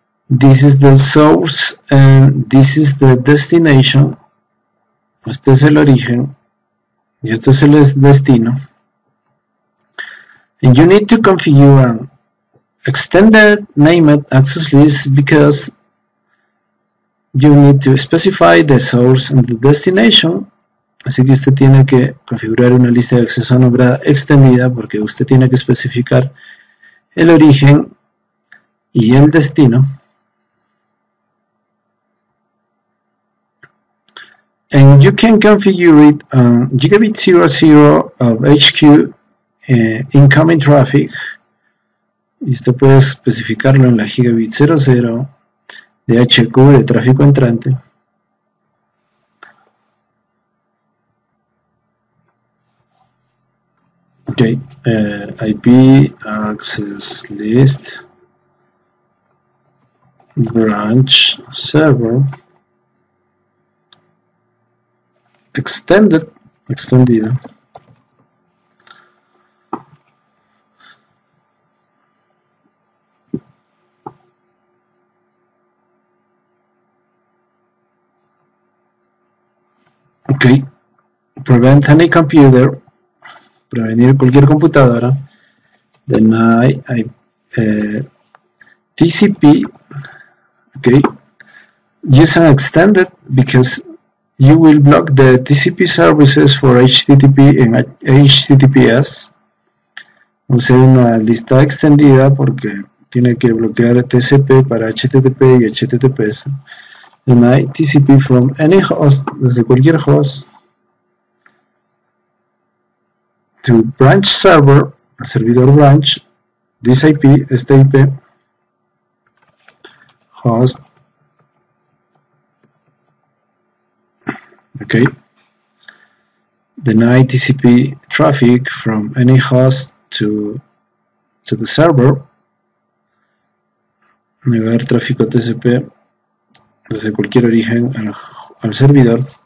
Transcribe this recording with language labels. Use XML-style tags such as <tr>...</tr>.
<en>This is the source and this is the destination.</en> <es>Este es el origen y este es el destino.</es> <en>And you need to configure an extended named access list because you need to specify the source and the destination.</en> <es>Así que usted tiene que configurar una lista de acceso nombrada extendida porque usted tiene que especificar el origen y el destino.</es> <en>And you can configure it on gigabit 00 of HQ incoming traffic.</en> <es>Y usted puede especificarlo en la gigabit 00 de HQ de tráfico entrante.</es> <en>Okay, IP access list branch server extendido. Okay, prevent any computer.</en> <es>Prevenir cualquier computadora.</es> <en>Deny TCP. Okay. Use an extended because you will block the TCP services for HTTP and HTTPS.</en> <es>Use una lista extendida porque tiene que bloquear TCP para HTTP y HTTPS.</es> <en>Deny TCP from any host,</en> <es>desde cualquier host.</es> <en>To branch server,</en> <es>al servidor branch,</es> <en>this IP,</en> <es>esta IP,</es> <en>host, okay, deny TCP traffic from any host to the server,</en> <es>negar tráfico TCP desde cualquier origen al servidor.</es>